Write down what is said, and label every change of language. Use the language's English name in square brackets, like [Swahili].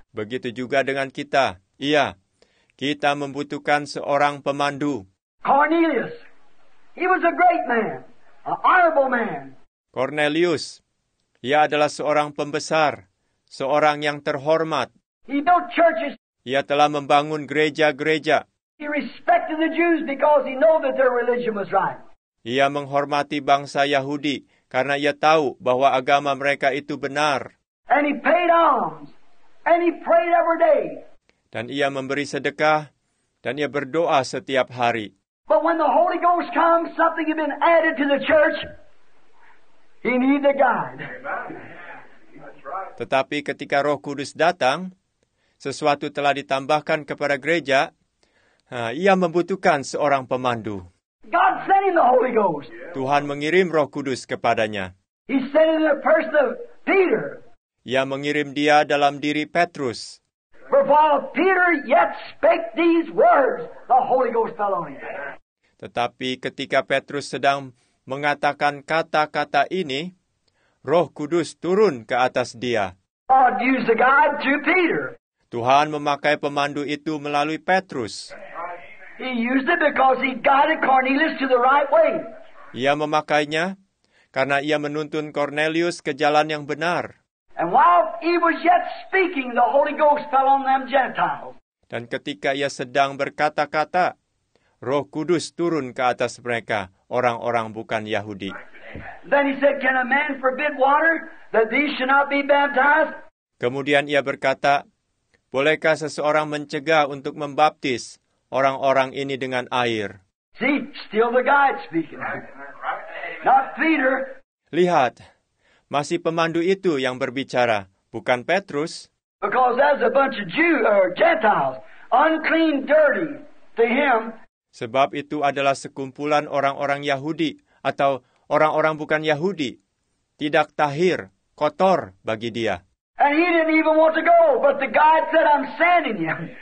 [Indonesian] Begitu juga dengan kita. Iya, kita membutuhkan seorang pemandu. [English] Cornelius. He was a great man, an honorable man. Cornelius. [Indonesian] Ia adalah seorang pembesar, seorang yang terhormat. [English] He built churches. [Indonesian] Ia telah membangun gereja-gereja. [English] He respected the Jews because he knew that their religion was right. [Indonesian] Ia menghormati bangsa Yahudi karena ia tahu bahwa agama mereka itu benar. [English] And he paid alms. And he prayed every day. [Indonesian] Dan ia memberi sedekah dan ia berdoa setiap hari. [English] But when the Holy Ghost comes, something had been added to the church. He needed a guide. [Indonesian] Tetapi ketika Roh Kudus datang, sesuatu telah ditambahkan kepada gereja, Ia membutuhkan seorang pemandu. [English] God sent him the Holy Ghost. [Indonesian] Tuhan mengirim Roh Kudus kepadanya. [English] He sent him in the person of Peter. [Indonesian] Ia mengirim dia dalam diri Petrus. [English] For while Peter yet spake these words, the Holy Ghost fell on him. [Indonesian] Tetapi ketika Petrus sedang mengatakan kata-kata ini, Roh Kudus turun ke atas dia. [English] God used the guide to Peter. [Indonesian] Tuhan memakai pemandu itu melalui Petrus. [English] He used it because he guided Cornelius to the right way. [Indonesian] Ia memakainya karena ia menuntun Cornelius ke jalan yang benar. [English] And while he was yet speaking, the Holy Ghost fell on them Gentiles. [Indonesian] Dan ketika ia sedang berkata-kata, Roh Kudus turun ke atas mereka, orang-orang bukan Yahudi. [English] Then he said, "Can a man forbid water that these should not be baptized?" [Indonesian] Kemudian ia berkata, "Bolehkah seseorang mencegah untuk membaptis orang-orang ini dengan air?" [English] See, still the guide speaking. Not Peter. [Indonesian] Lihat, masih pemandu itu yang berbicara, bukan Petrus. [English] Because as a bunch of Jew or Gentiles, unclean, dirty to him. [Indonesian] Sebab itu adalah sekumpulan orang-orang Yahudi atau orang-orang bukan Yahudi, tidak tahir, kotor bagi dia. [English] And he didn't even want to go, but the guide said, "I'm sending you."